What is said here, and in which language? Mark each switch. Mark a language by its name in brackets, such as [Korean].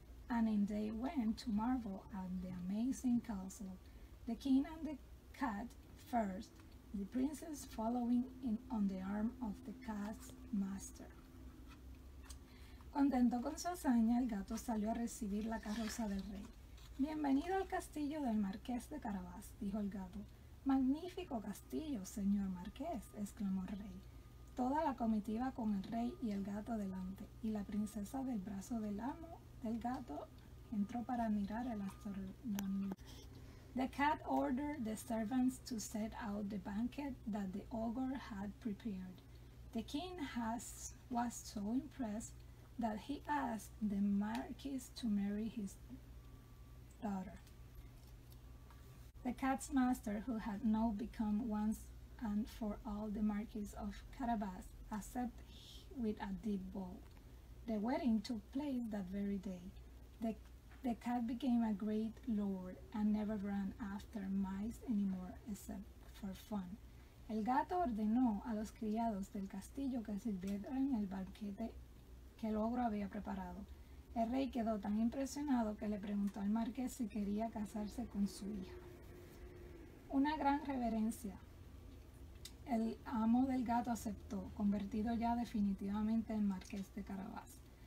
[English] And they went to marvel at the amazing castle, the king and the cat first, the princess following in on the arm of the cat's master. [Spanish] Contento con su hazaña, el gato salió a recibir la carroza del rey. "Bienvenido al castillo del marqués de Carabas," dijo el gato. "Magnífico castillo, señor marqués," exclamó el rey. Toda la comitiva con el rey y el gato delante, y la princesa del brazo del amo del gato entró para mirar el astronómico. [English] The cat ordered the servants to set out the banquet that the ogre had prepared. The king was so impressed that he asked the marquis to marry his daughter. The cat's master, who had now become once and for all the marquis of Carabas, accepted with a deep bow. The wedding took place that very day. The cat became a great lord and never ran after mice anymore except for fun. [Spanish] El gato ordenó a los criados del castillo que sirvieran el banquete que el ogro había preparado. El rey quedó tan impresionado que le preguntó al marqués si quería casarse con su hija. Una gran reverencia. El amo del gato aceptó, convertido ya definitivamente en marqués de Carabas.